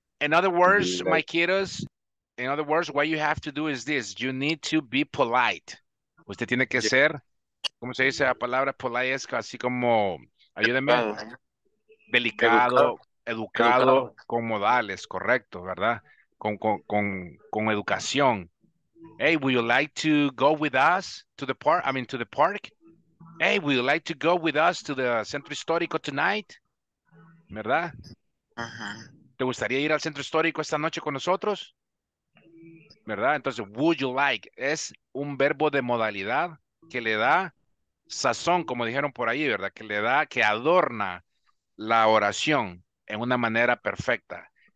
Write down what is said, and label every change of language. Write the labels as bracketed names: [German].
[English] In other words, what you have to do is this. You need to be polite. [Spanish] Usted tiene que ser, ¿cómo se dice la palabra? Polite es así como, ayúdeme. Delicado, educado, con modales, correcto, ¿verdad? Con educación. [English] Hey, would you like to go with us to the park? To the park? Hey, would you like to go with us to the Centro Histórico tonight? [Spanish] ¿Verdad? Ajá. ¿Te gustaría ir al Centro Histórico esta noche con nosotros? ¿Verdad? Entonces, [English] would you like [Spanish] es un verbo de modalidad que le da sazón, como dijeron por ahí, ¿verdad? Que adorna la oración en una manera perfecta.